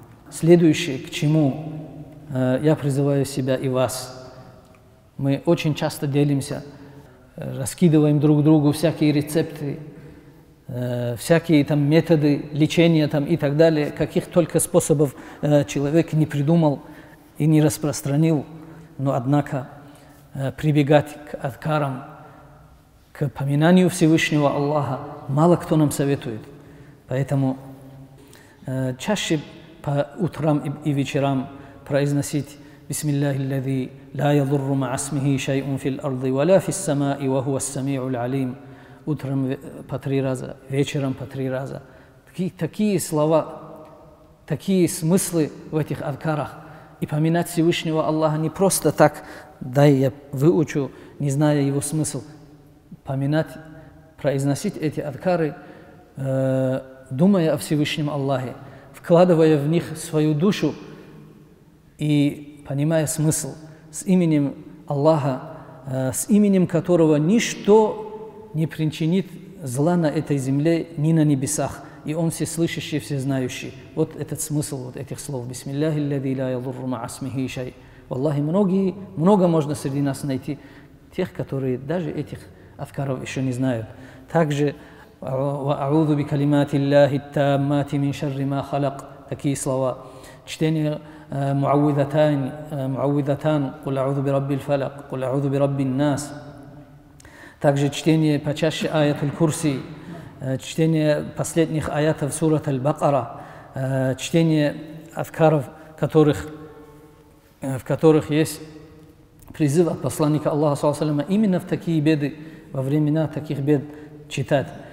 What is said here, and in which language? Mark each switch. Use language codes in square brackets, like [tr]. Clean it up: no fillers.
[ru] Следующее, к чему я призываю себя и вас, мы очень часто делимся, раскидываем друг другу всякие рецепты, всякие там методы лечения там и так далее, каких только способов человек не придумал и не распространил, но однако прибегать к адкарам, к поминанию Всевышнего Аллаха, мало кто нам советует. Поэтому чаще по утрам и вечерам произносить [ar] بسم الله الذي لا يضر مع اسمه شيء في الأرض ولا في السماء وهو السميع العليم. [ru] Утром по три раза, вечером по три раза. Такие слова, такие смыслы в этих адкарах. И поминать Всевышнего Аллаха не просто так, дай я выучу, не зная его смысл. Поминать, произносить эти адкары, думая о Всевышнем Аллахе, вкладывая в них свою душу и понимая смысл, с именем Аллаха, с именем которого ничто не причинит зла на этой земле, ни на небесах, и Он всеслышащий, всезнающий. Вот этот смысл вот этих слов. [ar] Бисмиллахи ллази ла йадурру маа исмихи шайй. [ru] Валлахи, многие, много можно среди нас найти, тех, которые даже этих адкаров еще не знают. Также [ar] «Ва'аузу би калимати ллахи таммати мин шарри ма халак». [ru] Такие слова. Чтение [ar] معوذتان معوذتان قل اعوذ برب الفلق قل اعوذ برب الناس. [ru] Также чтение почаще аят аль-курси, чтение последних аятов сурат аль-бакара, чтение адкаров, в которых есть призыв от посланника Аллаха саллаллаху алейхи ва саллям именно в такие беды, во времена таких бед читать.